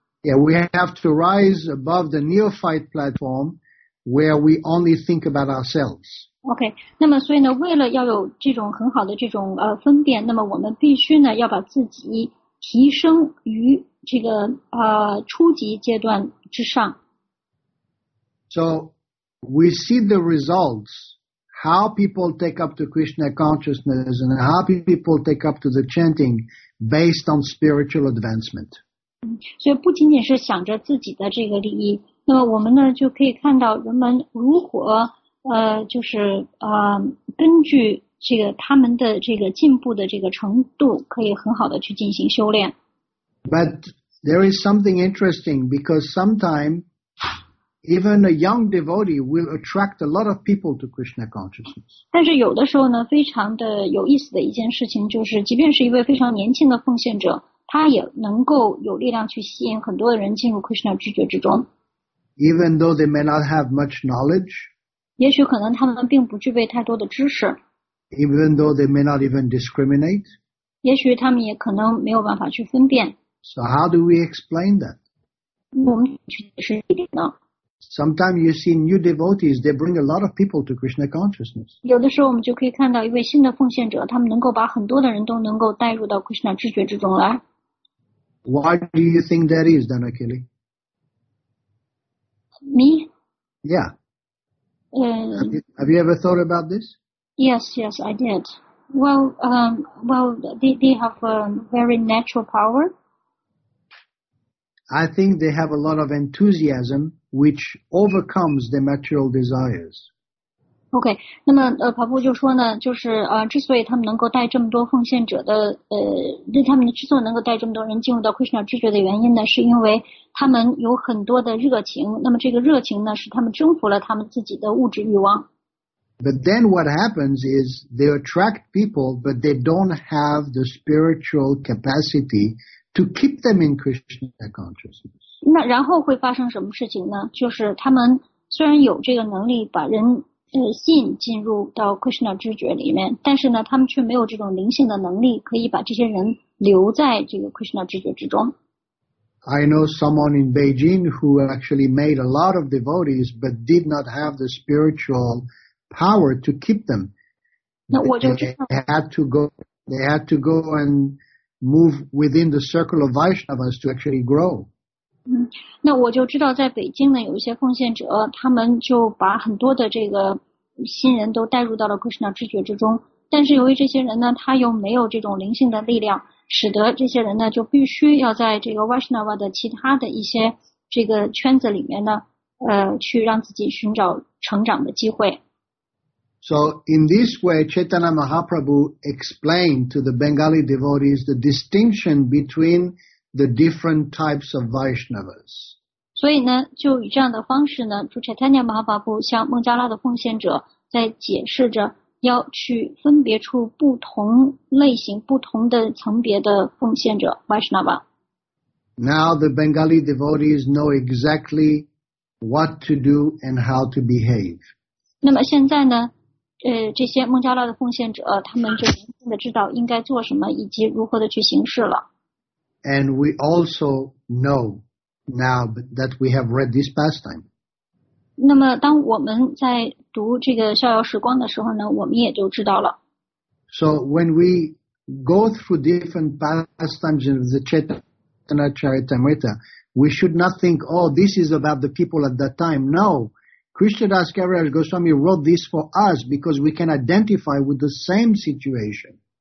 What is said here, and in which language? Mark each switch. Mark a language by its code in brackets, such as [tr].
[en] Yeah, we have to rise above the neophyte platform where we only think about ourselves. Okay. [zh] 那么，所以呢，为了要有这种很好的这种分辨，那么我们必须呢要把自己提升于这个初级阶段之上。 [en] So we see the results. How people take up to Krishna consciousness and how people take up to the chanting based on spiritual advancement. [zh] 所以不仅仅是想着自己的这个利益，那么我们呢就可以看到人们如何就是根据这个他们的这个进步的这个程度，可以很好的去进行修炼。 [en] But there is something interesting because sometimes. Even a young devotee will attract a lot of people to Krishna consciousness. [zh] 但是有的时候呢，非常的有意思的一件事情就是，即便是一位非常年轻的奉献者，他也能够有力量去吸引很多的人进入 Krishna 知觉之中。 [en] Even though they may not have much knowledge, [zh] 也许可能他们并不具备太多的知识。 [en] Even though they may not even discriminate, [zh] 也许他们也可能没有办法去分辨。 [en] So how do we explain that? [zh] 我们去解释一点呢？ [en] Sometimes you see new devotees, they bring a lot of people to Krishna consciousness. [zh] 有的时候我们就可以看到一位新的奉献者，他们能够把很多的人都能够带入到 Krishna 知觉之中来。 [en] Why do you think that is, Danakili? Me? Yeah. Have you ever thought about this? Yes, I did. Well, they have a very natural power. I think they have a lot of enthusiasm. Which overcomes the material desires. [zh] Okay, 那么Prabhu就说呢，就是之所以他们能够带这么多奉献者的他们之所以能够带这么多人进入到 Krishna 知觉的原因呢，是因为他们有很多的热情。那么这个热情呢，使他们征服了他们自己的物质欲望。 [en] But then what happens is they attract people, but they don't have the spiritual capacity to keep them in Krishna consciousness. [zh] 那然后会发生什么事情呢？就是他们虽然有这个能力把人吸引进入到 Krishna 知觉里面，但是呢，他们却没有这种灵性的能力，可以把这些人留在这个 Krishna 知觉之中。 [en] I know someone in Beijing who actually made a lot of devotees, but did not have the spiritual power to keep them. [zh] 那我就知道 [en] they had to go and move within the circle of Vaishnavas to actually grow. [zh] 那我就知道在北京呢有一些奉献者他们就把很多的这个新人都带入到了 Krishna 知觉之中，但是由于这些人呢，他又没有这种灵性的力量，使得这些人呢，就必须要在这个 Vaishnava 的其他的一些这个圈子里面呢，去让自己寻找成长的机会。 [en] So in this way, Chaitanya Mahaprabhu explained to the Bengali devotees the distinction between the different types of Vaishnavas. [zh] 所以呢，就以这样的方式呢，就 Chaitanya Mahaprabhu 向孟加拉的奉献者在解释着要去分别出不同类型、不同的层别的奉献者 Vaishnava. [en] Now the Bengali devotees know exactly what to do and how to behave. [zh] 那么现在呢？这些孟加拉的奉献者他们就明确的知道应该做什么以及如何的去行事了。 [en] And we also know now that we have read this pastime. [zh] 那么当我们在读这个逍遥时光的时候呢我们也就知道了。 [en] So when we go through different pastimes of the Chaitanya Charitamrita, we should not think, oh, this is about the people at that time. No. Krishna Das Kaviraj Goswami wrote this for us because we can identify with the same situation.